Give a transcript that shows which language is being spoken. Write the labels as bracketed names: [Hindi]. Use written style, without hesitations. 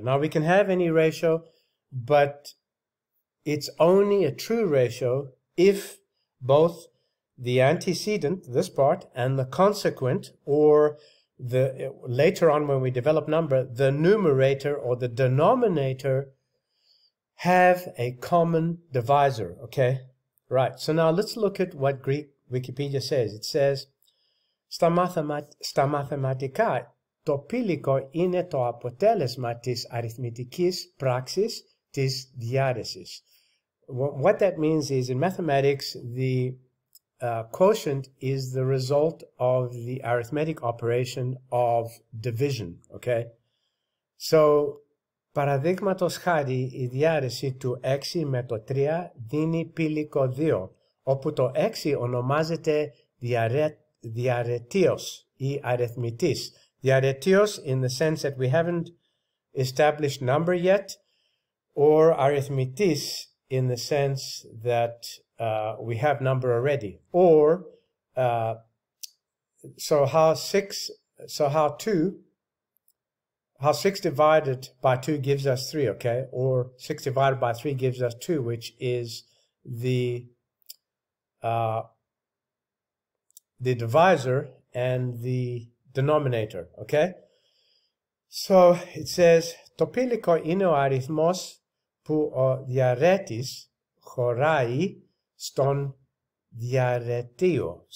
[English] Now, we can have any ratio, but it's only a true ratio if both the antecedent, this part, and the consequent, or the later on when we develop number, the numerator or the denominator have a common divisor, okay? Right, so now let's look at what Greek Wikipedia says. It says, [Greek] Στα μαθηματικά, το πηλικό είναι το αποτέλεσμα της αριθμητικής πράξης της διαίρεσης. [English] What that means is, in mathematics, the quotient is the result of the arithmetic operation of division, okay? [Greek] So, παραδείγματος χάρη, η διαίρεση του 6 με το 3 δίνει πηλικό 2, όπου το 6 ονομάζεται διαρετίος ή αριθμητής. [English] Διαρετίος in the sense that we haven't established number yet, or αριθμητής in the sense that we have number already, or so how six divided by 2 gives us 3, okay, or 6 divided by 3 gives us 2, which is the divisor and the denominator, okay. So it says [Greek] το πηλικό είναι ο αριθμός που ο διαρρέτης χωράει στον διαρετίο.